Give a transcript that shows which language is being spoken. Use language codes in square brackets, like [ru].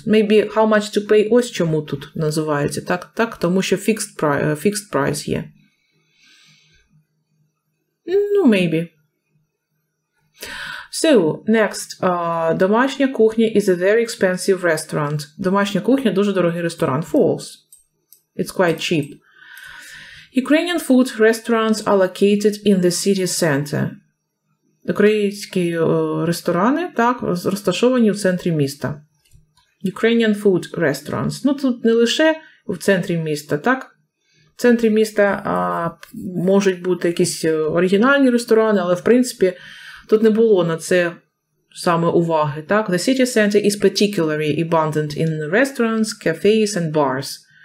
[uk] Maybe how much to pay – ось чому тут називається. Так, так, тому що fixed price є. Ну, maybe. [en] So, next. Домашня кухня is a very expensive restaurant. [uk] Домашня кухня – дуже дорогий ресторан. [en] False. It's quite cheap. Ukrainian food restaurants are located in the city center. [uk] Українські ресторани, так, розташовані в центрі міста. [en] Ukrainian food restaurants. [uk] Ну, тут не лише в центрі міста, так? В центрі міста можуть бути якісь оригінальні ресторани, але, в принципі, тут не було на це саме уваги, так? [en] The city center is particularly abundant in restaurants, cafes and bars.